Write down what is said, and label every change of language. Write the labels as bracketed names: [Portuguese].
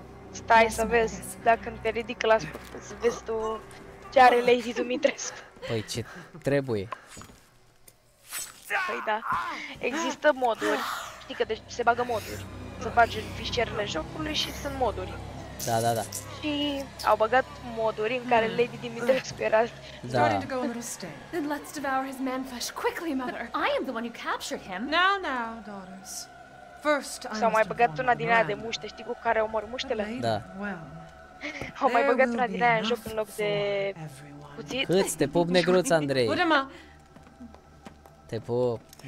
[Romanian] Stai să vezi, dacă te ridică la spate, să vezi tu ce are Lady Dumitrescu. Păi ce trebuie? Păi da, există moduri, știi că deci se bagă moduri. Să bagi în fișierele jocului și sunt moduri. Da, da, da. Și au băgat moduri în care Lady Dimitrescu era. Da. [English] Then let's devour his man flesh quickly, mother. But I am the one who captured him. Now, now, daughters. First, I [Romanian] s-au mai băgat una din aia de muște, știi cu care omor muștele? Da. Au mai băgat una din aia în joc în loc de cuțit. Cât te pup, negruț, Andrei. Te pup.